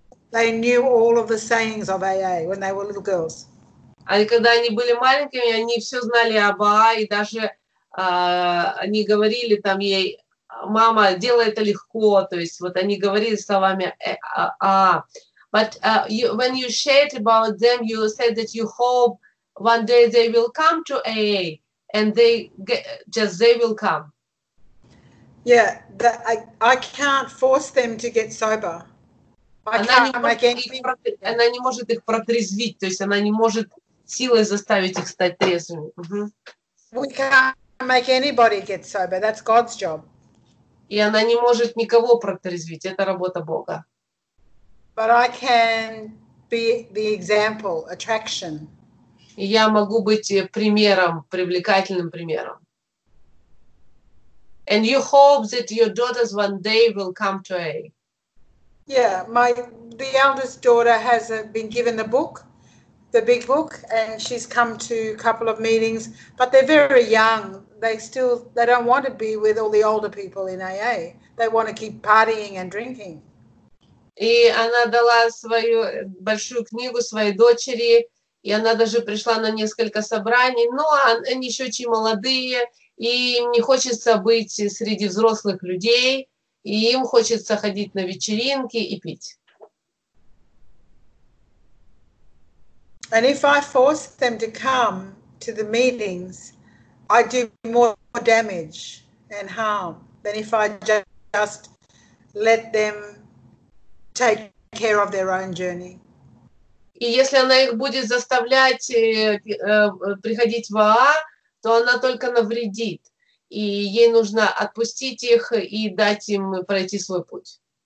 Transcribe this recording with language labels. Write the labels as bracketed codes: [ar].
[en] They knew all of the sayings of AA when they were little girls. [ru] Они когда они были маленькими, они все знали об AA, и даже они говорили там ей, "Мама, делай это легко." То есть вот они говорили словами AA. [en] But when you shared about them, you said that you hope one day they will come to AA and they will come. I can't force them to get sober. [ru] Она не может их протрезвить, то есть она не может силой заставить их стать трезвыми. [en] We can't make anybody get sober. That's God's job. [ru] И она не может никого протрезвить. Это работа Бога. [en] But I can be the example, attraction. [ru] И я могу быть примером, привлекательным примером. [en] And you hope that your daughters one day will come to A. Yeah, the eldest daughter has been given the book, the big book, and she's come to a couple of meetings, but they're very young. They don't want to be with all the older people in AA. They want to keep partying and drinking. [ru] И она дала свою большую книгу своей дочери, и она даже пришла на несколько собраний, но они еще очень молодые, и им не хочется быть среди взрослых людей. И им хочется ходить на вечеринки и пить. [en] And if I force them to come to the meetings, I do more damage and harm than if I just let them take care of their own journey. [ru] И если она их будет заставлять приходить в АА, то она только навредит. И ей нужно отпустить их и дать им пройти свой путь.